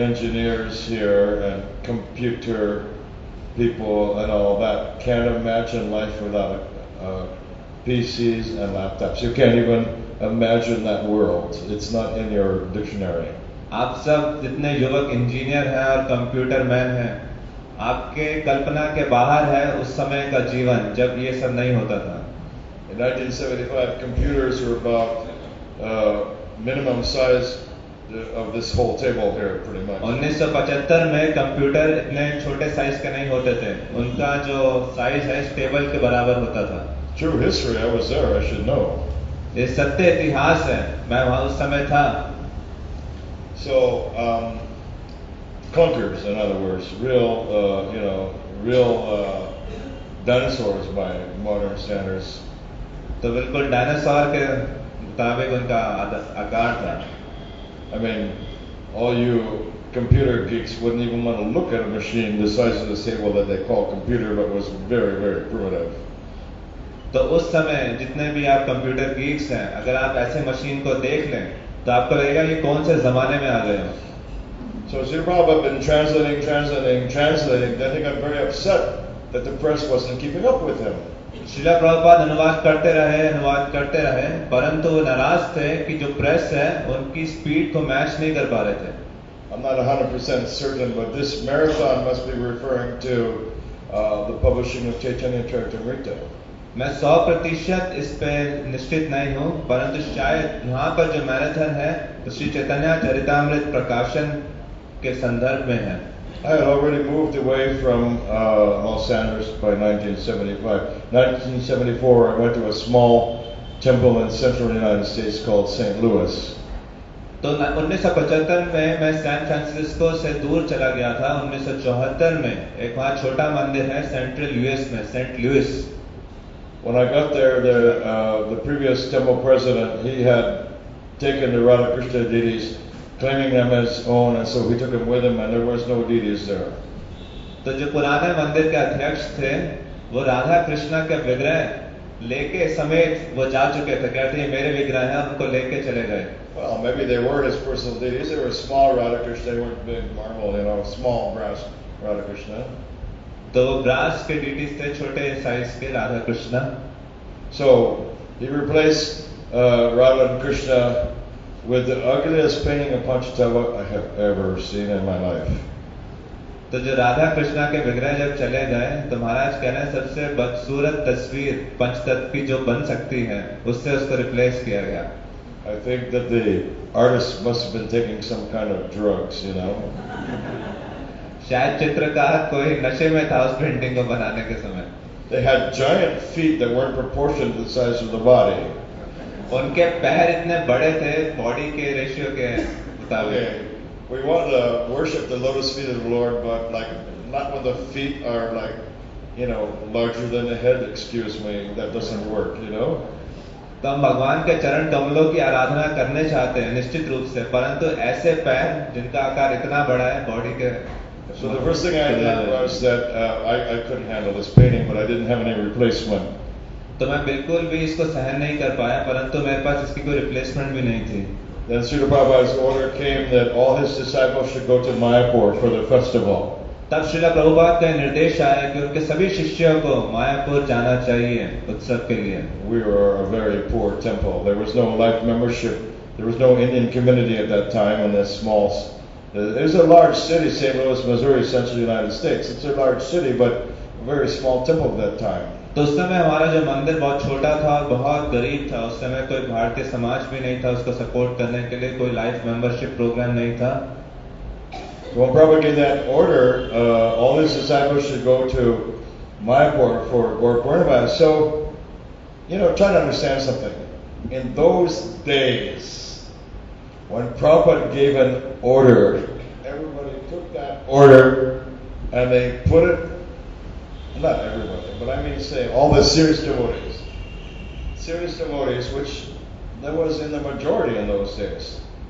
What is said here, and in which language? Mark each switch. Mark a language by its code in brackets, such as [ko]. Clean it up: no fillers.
[en] computer people and all that can't imagine life without PCs and laptops. You can't even imagine that world. It's not in your dictionary. [hi] आप सब जितने युवक engineer हैं और computer man हैं, आपके कल्पना के बाहर है उस समय का जीवन जब ये सब नहीं होता था. [en] In 1975, computers were about minimum size of this whole table here, pretty much. [hi] 1975 में कंप्यूटर इतने छोटे साइज के नहीं होते थे, उनका जो साइज है इस टेबल के बराबर होता था. [en] True history, I was there, I should know. [hi] ये सत्य इतिहास है, मैं वहां उस समय था. [en] So, conquerors, in other words, real, you know, real dinosaurs by modern standards. [hi] तो बिल्कुल डायनासोर के मुताबिक उनका आकार था. [en] I mean, all you computer geeks wouldn't even want to look at a machine the size of the table that they call computer, but was very, very primitive. [hi] तो उस समय जितने भी आप कंप्यूटर गीक्स हैं, अगर आप ऐसे मशीन को देख लें, तो आपको लगेगा कि कौन से जमाने में आ गए हैं. [en] So Sri Prabhupada had been translating. Then he got very upset that the press wasn't keeping up with him. [hi] Srila Prabhupada अनुवाद करते रहे, परंतु वो नाराज थे कि जो प्रेस है उनकी स्पीड को मैच नहीं कर पा रहे थे. [en] I'm not 100% certain, but this marathon must be referring to the publishing of Chaitanya Charitamrita. [hi] मैं 100% इस पे निश्चित नहीं हूँ, परंतु शायद यहाँ पर जो मैराथन है वो श्री चैतन्य चरितामृत प्रकाशन के संदर्भ में है. [en] I had already moved away from Los Angeles by 1975. 1974, I went to a small temple in central United States called St. Louis. [hi] तो 1975 में मैं सैन फ्रांसिस्को से दूर चला गया था. 1974 में एक वहाँ छोटा मंदिर है सेंट्रल यूएस में, Saint Louis. [en] When I got there, the previous temple president, he had taken the Radhakrishna deities, claiming them as own, and so he took them with him, and there was no deities there. [hi] तो जो पुराने मंदिर के अध्यक्ष थे, वो राधा कृष्णा के विग्रह लेके समेत वो जा चुके थे. कहते हैं मेरे विग्रह हैं, उनको लेके चले गए. [en] Well, maybe they were his personal deities. They were small Radhakrishna. They weren't big marble, you know, small brass Radhakrishna. [hi] तो वो ब्रास के डीटीज थे, छोटे साइज के राधा कृष्ण. [en] So he replaced Radha Krishna with the ugliest painting of पंचतत्व I have ever seen in my life. [hi] तो जो राधा कृष्ण के विग्रह जब चले गए, तो महाराज कह रहे हैं सबसे बदसूरत तस्वीर पंचतत्व की जो बन सकती है उससे उसको रिप्लेस किया गया. [en] I think that the artist must have been taking some kind of drugs, you know. [hi] शायद चित्रकार कोई नशे में था उस पेंटिंग को बनाने के समय. [en] They had giant feet that weren't proportioned to the size of the body. [hi] उनके पैर इतने बड़े थे बॉडी के रेशियो के मुताबिक. [en] Okay. We want to worship the lotus feet of the Lord, but like not when the feet are like, you know, larger than the head. Excuse me, that doesn't work, you know. [hi] तो हम भगवान के चरण कमलों की आराधना करने चाहते हैं निश्चित रूप से, परंतु ऐसे पैर जिनका आकार इतना बड़ा है बॉडी के. [en] So the first thing I did was that I couldn't handle this painting, but I didn't have any replacement. [hi] तो मैं बिल्कुल भी इसको सहन नहीं कर पाया, परंतु मेरे पास इसकी कोई replacement भी नहीं थी. [en] Then Sri Prabhupada's order came that all his disciples should go to Mayapur for the festival. [hi] तब श्री प्रभुपाद का निर्देश आया कि उनके सभी शिष्यों को मायापुर जाना चाहिए उत्सव के लिए. [en] We were a very poor temple. There was no life membership. There was no Indian community at that time in this small. It's a large city, St. Louis, Missouri, central United States. It's a large city, but a very small temple at that time. [hi] तो उस समय हमारा जो मंदिर बहुत छोटा था, बहुत गरीब था. उस समय कोई भारतीय समाज भी नहीं था उसको सपोर्ट करने के लिए, कोई लाइफ मेंबरशिप प्रोग्राम नहीं था. [en] Well, probably in that order, all his disciples should go to Mayapur for Gaura Purnima. So, you know, try to understand something. In those days, when Prabhupada gave an order, everybody took that order and they put it, not everybody, but I mean to say all the serious devotees, which there was in the majority in those days.